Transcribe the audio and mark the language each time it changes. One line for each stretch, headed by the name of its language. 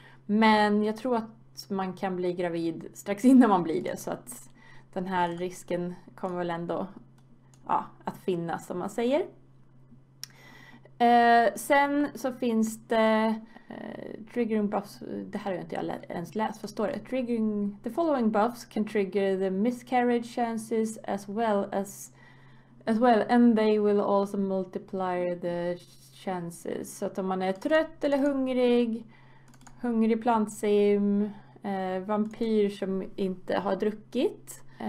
Swedish: Men jag tror att man kan bli gravid strax innan man blir det. Så att den här risken kommer väl ändå, ja, att finnas som man säger. Sen så finns det triggering buffs. Det här har jag inte ens läst. Vad står det?
English: Triggering, the following buffs can trigger the miscarriage chances as well and they will also multiply the chances.
Swedish: Så att om man är trött eller hungrig plantsim, vampyr som inte har druckit.